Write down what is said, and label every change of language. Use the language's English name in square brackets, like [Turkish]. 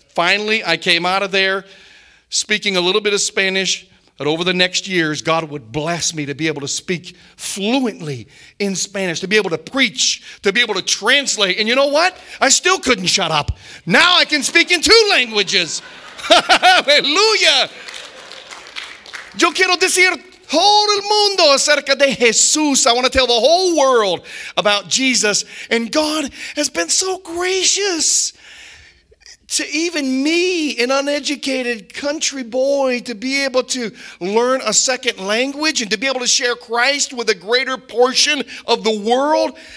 [English] Finally, I came out of there speaking a little bit of Spanish. But over the next years, God would bless me to be able to speak fluently in Spanish, to be able to preach, to be able to translate. And you know what? I still couldn't shut up. Now I can speak in two languages. Hallelujah. [Spanish] Yo quiero decir todo el mundo acerca de Jesús. [English] I want to tell the whole world about Jesus. And God has been so gracious to even me, an uneducated country boy, to be able to learn a second language and to be able to share Christ with a greater portion of the world.